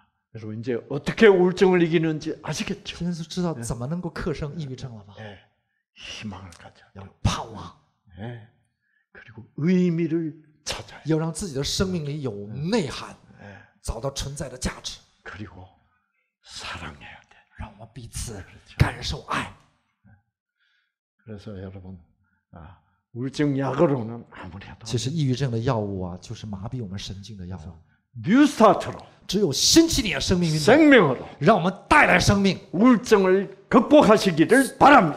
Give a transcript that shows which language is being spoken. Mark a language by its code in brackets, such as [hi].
[ko] 그래서 이제 어떻게 우울증을 이기는지 아시겠죠? [zh] 现在是知道怎么能够克胜抑郁症了吧？ [ko] 네. 희망을 가져. [zh] 要盼望。 [ko] 네. 그리고 의미를 찾아요. [zh] 要让自己的生命里有内涵，找到存在的价值。 [ko] 그리고 사랑해야 돼. [zh] 让我彼此感受爱。 [ko] 그래서 여러분, 우울증 약으로는 아무래도. [zh] 其实抑郁症的药物啊，就是麻痹我们神经的药物。 [ko] 뉴스타트로. [zh] 只有新起点生命运动。 [ko] 생명으로. [zh] 让我们带来生命。 [ko] 우울증을 극복하시기를 바랍니다.